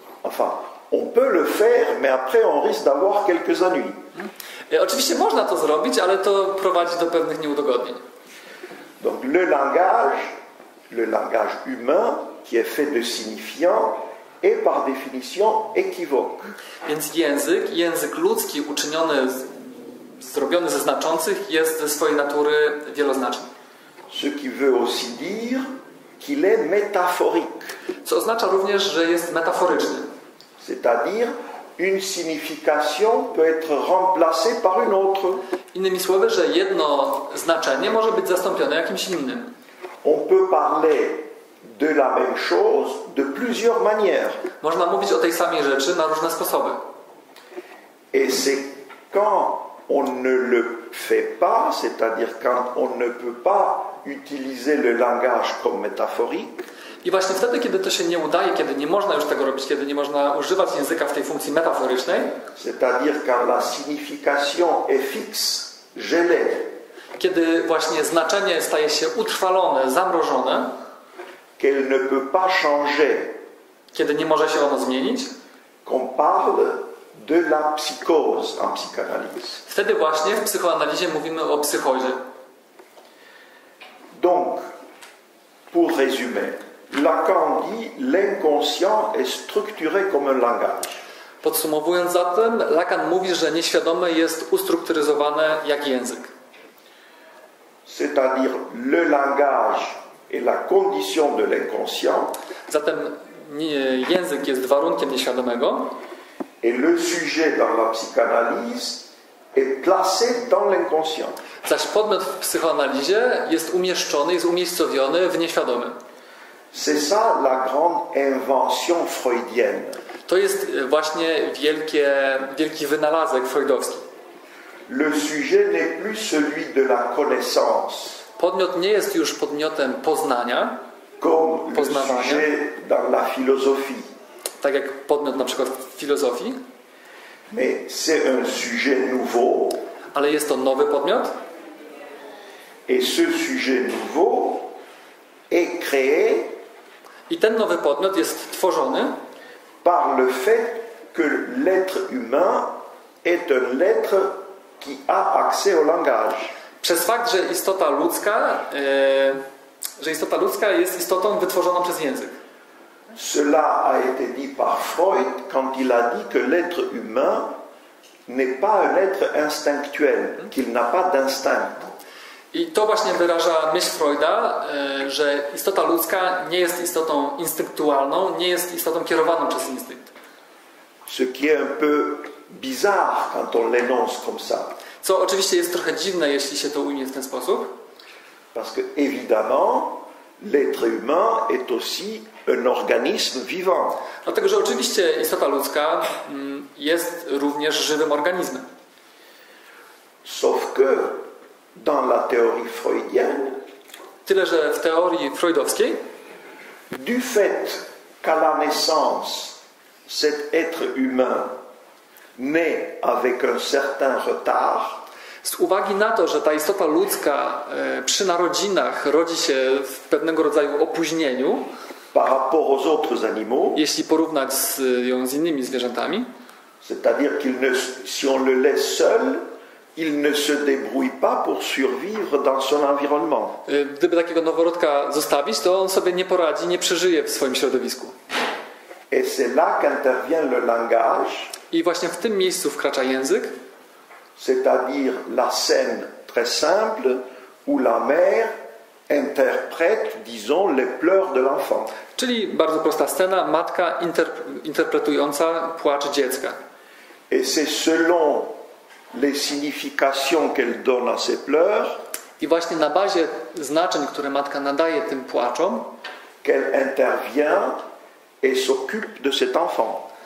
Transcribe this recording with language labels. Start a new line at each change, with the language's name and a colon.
French: Enfin, on peut le faire, mais après on risque d'avoir quelques ennuis.
Polish: Oczywiście można to zrobić, ale to prowadzi do pewnych nieudogodnień.
French: Donc le langage humain qui est fait de signifiants est par définition équivoque.
Polish: Więc język ludzki uczyniony zrobiony ze znaczących jest ze swojej natury wieloznaczny.
French: Ce qui veut aussi dire qu'il est métaphorique.
Polish: Co oznacza również, że jest metaforyczny.
French: C'est-à-dire une signification peut être remplacée par une autre.
Polish: Innymi słowy, że jedno znaczenie może być zastąpione jakimś innym.
French: On peut parler de la même chose de plusieurs manières.
Polish: Można mówić o tej samej rzeczy na różne sposoby.
French: Et c'est quand on ne le fait pas, c'est-à-dire quand on ne peut pas utiliser le langage comme métaphorique.
Polish: I właśnie wtedy, kiedy to się nie udaje, kiedy nie można już tego robić, kiedy nie można używać języka w tej funkcji metaforycznej.
French: C'est-à-dire quand la signification est fixe, gelée.
Polish: Kiedy właśnie znaczenie staje się utrwalone, zamrożone.
French: Qu'elle ne peut pas changer.
Polish: Kiedy nie może się ono zmienić.
French: Qu'on parle de la psychose en psychanalyse.
Polish: Wtedy właśnie w psychoanalizie mówimy o psychozie.
French: Donc, pour résumer, Lacan dit l'inconscient est structuré comme un langage.
Polish: Podsumowując zatem, Lacan mówi, że nieświadome jest ustrukturyzowane jak język.
French: C'est-à-dire le langage est la condition de l'inconscient.
Polish: Zatem język jest warunkiem nieświadomego.
French: Et le sujet dans la psychanalyse est placé dans l'inconscient.
Polish: Zaś podmiot w psychoanalizie jest umieszczony, jest umiejscowiony w nieświadomym.
French: C'est ça la grande invention freudienne.
Polish: To jest właśnie wielki wynalazek freudowski.
French: Le sujet n'est plus celui de la connaissance.
Polish: Podmiot nie jest już podmiotem poznania.
French: Comme
Polish: poznawania.
French: Le sujet dans la philosophie.
Polish: Tak jak podmiot na przykład w filozofii.
French: Mais c'est un sujet nouveau.
Polish: Ale jest to nowy podmiot.
French: Et ce sujet nouveau est créé.
Polish: I ten nowy podmiot jest tworzony
French: par le fait que l'être humain est un être qui a accès au langage.
Polish: Przez fakt, że istota ludzka, jest istotą wytworzoną przez język.
French: Cela a été dit par Freud quand il a dit que l'être humain n'est pas un être instinctuel, qu'il n'a pas d'instinct.
Polish: I to właśnie wyraża myśl Freuda, że istota ludzka nie jest istotą instynktualną, nie jest istotą kierowaną przez instynkt.
French: Ce qui est un peu bizarre quand on l'énonce comme ça.
Polish: Co oczywiście jest trochę dziwne, jeśli się to ujmie w ten sposób.
French: Parce que évidemment, l'être humain est aussi un organisme vivant.
Polish: Dlatego, że oczywiście istota ludzka jest również żywym organizmem.
French: Sauf que dans la théorie freudienne,
Polish: tyle, że w teorii freudowskiej,
French: du fait qu'à la naissance, cet être humain naît avec un certain retard,
Polish: z uwagi na to, że ta istota ludzka przy narodzinach rodzi się w pewnego rodzaju opóźnieniu,
French: par rapport aux autres animaux,
Polish: jeśli porównać ją z innymi zwierzętami,
French: c'est-à-dire qu'il ne, si on le laisse seul, il ne se débrouille pas pour survivre dans son environnement.
Polish: Gdyby takiego noworodka zostawić, to on sobie nie poradzi, nie przeżyje w swoim środowisku.
French: Et c'est là qu'intervient le langage.
Polish: I właśnie w tym miejscu wkracza język.
French: C'est-à-dire la scène très simple où la mère interprète, disons, les pleurs de l'enfant.
Polish: Czyli bardzo prosta scena, matka interpretująca płacz dziecka.
French: Et c'est selon les significations qu'elle donne à ses pleurs.
Polish: I właśnie na bazie znaczeń, które matka nadaje tym płaczom,
French: qu'elle intervient et s'occupe de cet enfant.